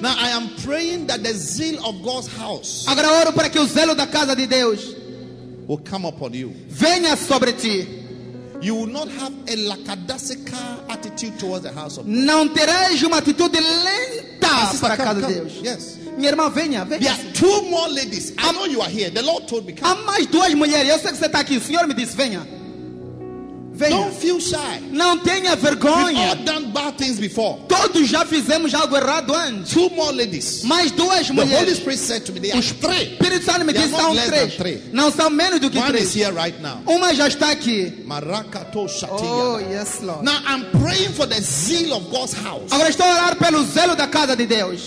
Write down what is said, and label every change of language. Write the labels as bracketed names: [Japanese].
[English] Now I am praying that the zeal of God's house. [Portuguese] Agora oro para que o zelo da casa de Deus [English] will come upon you. [Portuguese] Venha sobre ti. [English] You will not have a lackadaisical attitude towards the house of God. [Portuguese] Não terás uma atitude lenta para a casa de Deus. [English] Yes. [Portuguese] Minha irmã, venha, venha. [English] There are two more ladies. I know you are here. The Lord told me. [Portuguese] Há mais duas mulheres. Eu sei que você está aqui. O Senhor me disse, venha. Venha. [English] Don't feel shy. [Portuguese] Não tenha vergonha. [English] We've all done bad things before. [Portuguese] Todos já fizemos algo errado antes. [English] Two more ladies. [Portuguese] Mais duas mulheres. [English] The Holy Spirit said to me, they are three. [Portuguese] O Espírito Santo me disse, são três. Não são menos do que [English] One [Portuguese] três. [English] Is here right now. [Portuguese] Uma já está aqui. Marakato [English] shatia. Oh, yes, Lord. Now I'm praying for the zeal of God's house. [Portuguese] Agora estou a orar pelo zelo da casa de Deus.